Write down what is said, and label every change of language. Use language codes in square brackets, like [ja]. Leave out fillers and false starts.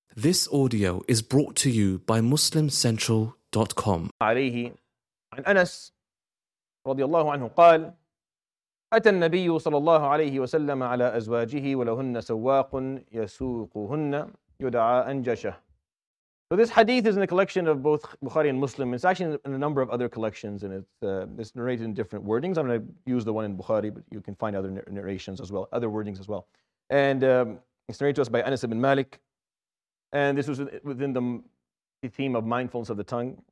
[en] This audio is brought to you by MuslimCentral.com. [ar] عليه عن أنس رضي الله عنه قال أتى النبي صلى الله عليه وسلم على أزواجه ولهن سواق يسوقهن يدعى أنجشة. [en] So this hadith is in a collection of both Bukhari and Muslim. It's actually in a number of other collections, and it's narrated in different wordings. I'm going to use the one in Bukhari, but you can find other narrations as well, other wordings as well. And it's narrated to us by Anas ibn Malik. And this was within the theme of mindfulness of the tongue.